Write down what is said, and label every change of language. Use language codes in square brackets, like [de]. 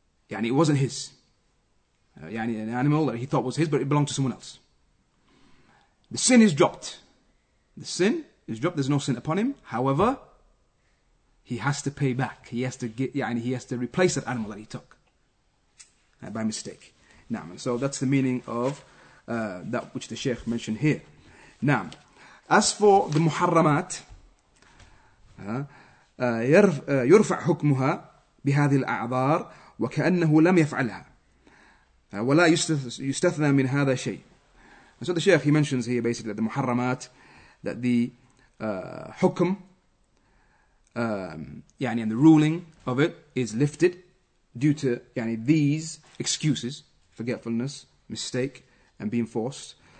[en] Yani, it wasn't his. Yani, an animal that he thought was his, but it belonged to someone else. The sin is dropped. The sin is dropped, there's no sin upon him. However, he has to pay back. He has to get, yani, he has to replace that animal that he took by mistake. Naam, so that's the meaning of that which the Sheikh mentioned here. Naam. As for the muharramat, [ar] يرفع حكمها بهذه الأعذار وكأنه لم يفعلها ولا يستثنى من هذا شيء. [en] So the Shaykh, he mentions here basically that the muharramat, that the hukm, يعني and the ruling of it is lifted due to يعني these excuses, forgetfulness, mistake, and being forced.